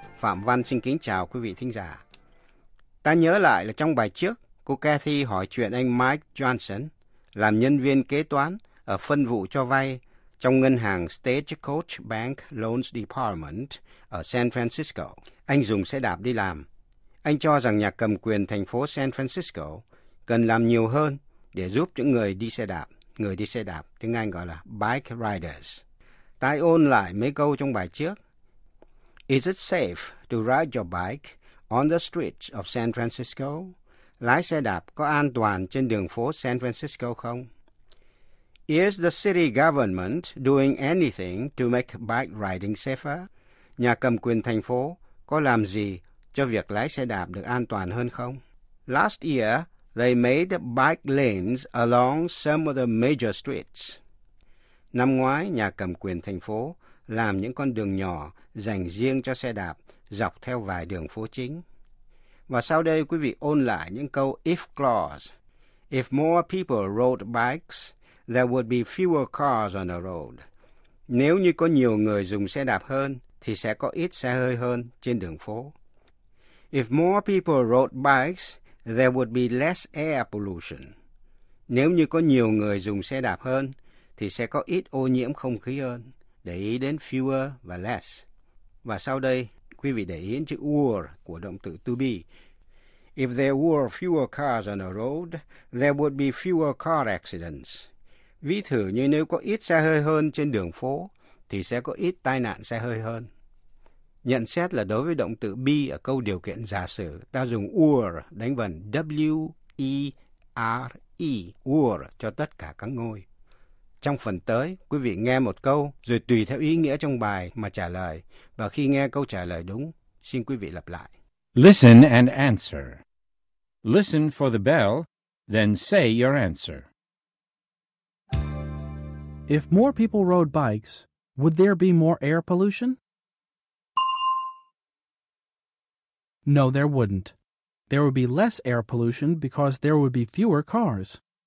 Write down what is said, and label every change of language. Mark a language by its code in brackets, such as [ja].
[vi] Phạm Văn xin kính chào quý vị thính giả. Ta nhớ lại là trong bài trước, cô Kathy hỏi chuyện anh Mike Johnson, làm nhân viên kế toán ở phân vụ cho vay trong ngân hàng Stagecoach Bank Loans Department ở San Francisco. Anh dùng xe đạp đi làm. Anh cho rằng nhà cầm quyền thành phố San Francisco cần làm nhiều hơn để giúp những người đi xe đạp. Người đi xe đạp, tiếng Anh gọi là [en] bike riders. [vi] Tái ôn lại mấy câu trong bài trước. [en] Is it safe to ride your bike on the streets of San Francisco? [vi] Lái xe đạp có an toàn trên đường phố San Francisco không? [en] Is the city government doing anything to make bike riding safer? [vi] Nhà cầm quyền thành phố có làm gì cho việc lái xe đạp được an toàn hơn không? [en] Last year, they made bike lanes along some of the major streets. [vi] Năm ngoái, nhà cầm quyền thành phố làm những con đường nhỏ dành riêng cho xe đạp dọc theo vài đường phố chính. Và sau đây quý vị ôn lại những câu if clause. [en] If more people rode bikes, there would be fewer cars on the road. [vi] Nếu như có nhiều người dùng xe đạp hơn, thì sẽ có ít xe hơi hơn trên đường phố. [en] If more people rode bikes, there would be less air pollution. [vi] Nếu như có nhiều người dùng xe đạp hơn, thì sẽ có ít ô nhiễm không khí hơn. Để ý đến fewer và less. Và sau đây, quý vị để ý đến chữ were của động từ to be. [en] If there were fewer cars on the road, there would be fewer car accidents. [vi] Ví thử như nếu có ít xe hơi hơn trên đường phố, thì sẽ có ít tai nạn xe hơi hơn. Nhận xét là đối với động từ be ở câu điều kiện giả sử, ta dùng were đánh vần W-E-R-E, were cho tất cả các ngôi. Trong phần tới, quý vị nghe một câu rồi tùy theo ý nghĩa trong bài mà trả lời. Và khi nghe câu trả lời đúng, xin quý vị lặp lại. [en] Listen and answer. Listen for the bell, then say your answer. If more people rode bikes, would there be more air pollution? No, there wouldn't. There would be less air pollution because there would be fewer cars.